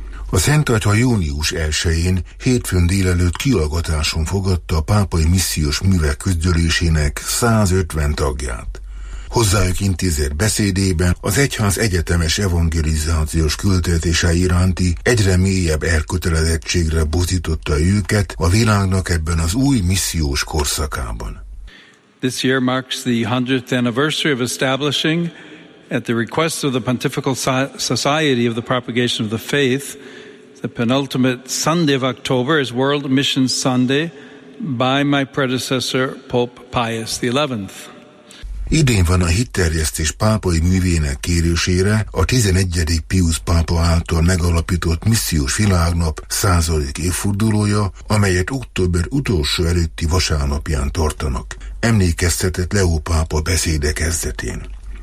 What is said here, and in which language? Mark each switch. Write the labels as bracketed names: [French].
[Hungarian] A Szentatya június 1-én, hétfőn délelőtt kilagatáson fogadta a pápai missziós művek közgyűlésének 150 tagját. Hozzájuk intézett beszédében az egyház egyetemes evangelizációs küldetése iránti egyre mélyebb elkötelezettségre buzította őket a világnak ebben az új missziós korszakában. [English] This year marks the 100th anniversary of establishing, at the request of the Pontifical Society of the Propagation of the Faith, the penultimate Sunday of October is World Missions Sunday by my predecessor Pope Pius XI. [Hungarian] Idén van a hitterjesztés pápai művének kérésére a 11. Pius pápa által megalapított missziós világnap 100. évfordulója, amelyet október utolsó előtti vasárnapján tartanak, emlékeztetett Leó pápa beszéde kezdetén.